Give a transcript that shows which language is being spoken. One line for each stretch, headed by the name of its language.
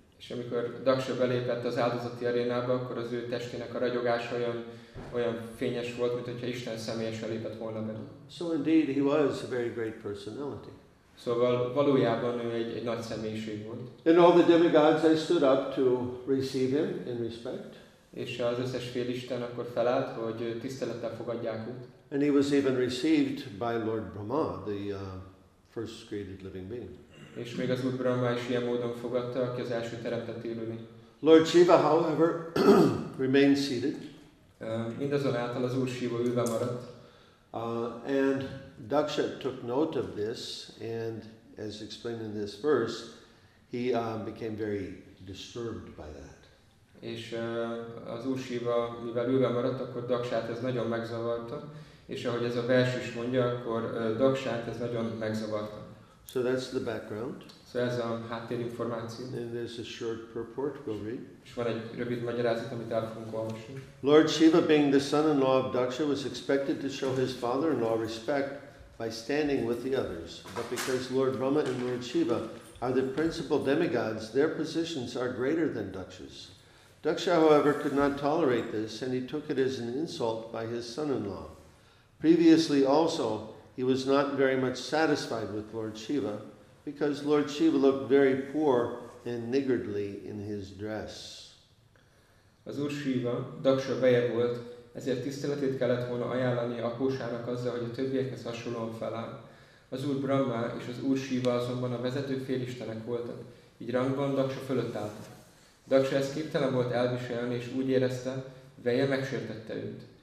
Hungarian: És amikor Daksha belépett az áldozati arénába, akkor az ő testének a ragyogása olyan fényes volt, mint hogyha Isten személyesen lépett volna be.
English: So indeed, he was a very great personality.
Hungarian: Szóval valójában ő egy nagy személyiség volt.
English: And all the demigods, they stood up to receive him in respect.
Hungarian: És az összes félisten akkor felállt, hogy tisztelettel fogadják őt.
English: And he was even received by Lord Brahma, the first created living being.
Hungarian: És még az Úr Brahma is ilyen módon fogadta, aki az első teremtett élőlény.
English: Lord Shiva, however, remained seated.
Hungarian: Mindazonáltal az Úr Shiva ülve maradt.
English: And Daksha took note of this, and as explained in this verse, he became very disturbed by that.
Hungarian: És az Úr Shiva, mivel ülve maradt, akkor Daksát ez nagyon megzavarta, És ahogy ez a vers is mondja, akkor Daksát ez nagyon megzavarta.
English: So that's the background.
Hungarian: So ez a háttérinformáció.
English: And there's a short purport we'll read.
Hungarian: És van egy rövid magyarázat, amit el fogunk olvasni.
English: Lord Shiva, being the son-in-law of Daksha, was expected to show his father-in-law respect by standing with the others. But because Lord Brahma and Lord Shiva are the principal demigods, their positions are greater than Daksha's. Daksha, however, could not tolerate this, and he took it as an insult by his son-in-law. Previously also, he was not very much satisfied with Lord Shiva, because Lord Shiva looked very poor and niggardly in his dress.
Hungarian: Az Úr Shiva, Daksha veje volt, ezért tiszteletét kellett volna ajánlani Akósának azzal, hogy a többiekhez hasonlóan feláll. Az Úr Brahma és az Úr Shiva azonban a vezető félistenek voltak, így rangban Daksha fölött álltak. Daksha ezt képtelen volt elviselni, és úgy érezte, veje megsértette őt.